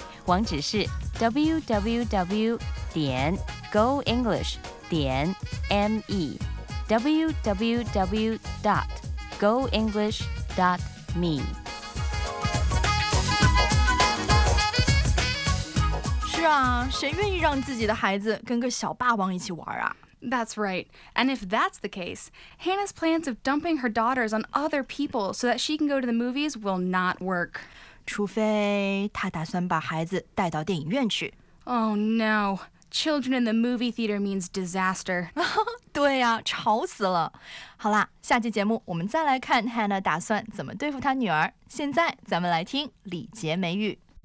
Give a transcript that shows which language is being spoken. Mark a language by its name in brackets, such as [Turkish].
[Chinese] 网址是 www.goenglish.me www.goenglish.me。是啊，谁愿意让自己的孩子跟个小霸王一起玩啊？ [English] That's right. And if that's the case, Hannah's plans of dumping her daughters on other people so that she can go to the movies will not work. [Chinese] 除非她打算把孩子带到电影院去。 [English] Oh no. Children in the movie theater means disaster. [Chinese] 对啊，吵死了。好啦，下期节目我们再来看 Hannah 打算怎么对付她女儿。现在咱们来听礼节美语。